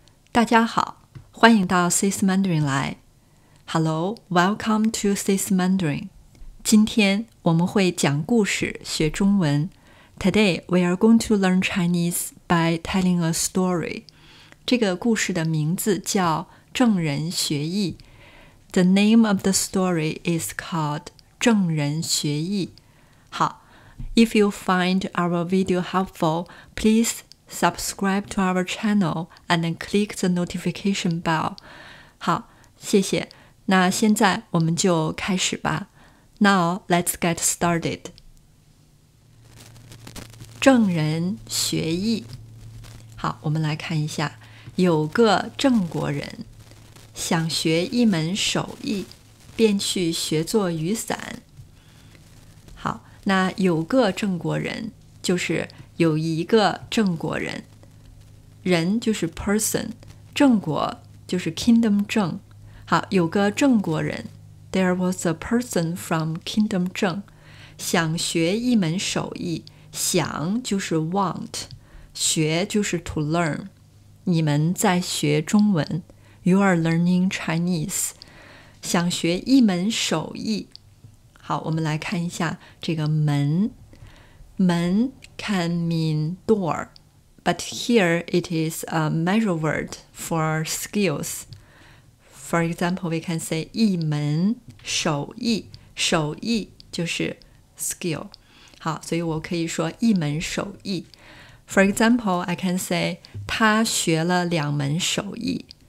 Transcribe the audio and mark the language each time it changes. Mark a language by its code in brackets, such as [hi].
[zh] 大家好，欢迎到 SyS Mandarin 来。 [en] Hello, welcome to SyS Mandarin. [zh] 今天我们会讲故事学中文。 [en] Today, we are going to learn Chinese by telling a story. [zh] 这个故事的名字叫郑人学艺。 [en] The name of the story is called 郑人学艺。好 ,if you find our video helpful, please subscribe to our channel and click the notification bell. [zh] 好,谢谢。那现在我们就开始吧。 [en] Now, let's get started. [zh] 郑人学艺。好,我们来看一下。有个郑国人。想学一门手艺，便去学做雨伞。好，那有个郑国人，就是有一个郑国人。人就是 person， 郑国就是 kingdom 郑。好，有个郑国人 ， [en] there was a person from kingdom 郑， [zh] 想学一门手艺。想就是 want， 学就是 to learn。你们在学中文。 [en] You are learning Chinese. [zh] 想学一门手艺。好，我们来看一下这个门。 [en] 门 can mean door, but here it is a measure word for skills. For example, we can say [zh] 一门手艺。手艺就是 skill. 好，所以我可以说一门手艺。 [en] For example, I can say [zh] 他学了两门手艺。